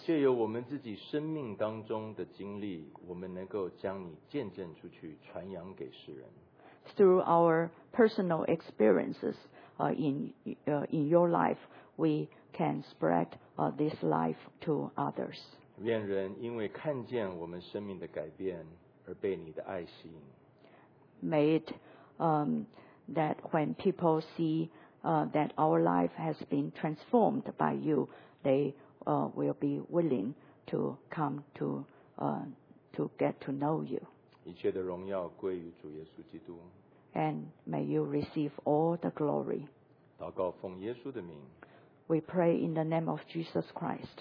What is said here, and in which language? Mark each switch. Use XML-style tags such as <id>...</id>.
<zh>借由我们自己生命当中的经历，我们能够将你见证出去，传扬给世人。</zh> <en>Through our personal experiences in your life, we can spread this life to others.</en> <zh>愿人因为看见我们生命的改变而被你的爱吸引。</zh> <en>May it that when people see that our life has been transformed by you, they will be willing to come to get to know you.</en> <zh>一切的荣耀归于主耶稣基督。</zh> <en>And may you receive all the glory.</en> <zh>祷告奉耶稣的名。</zh> <en>We pray in the name of Jesus Christ.</en>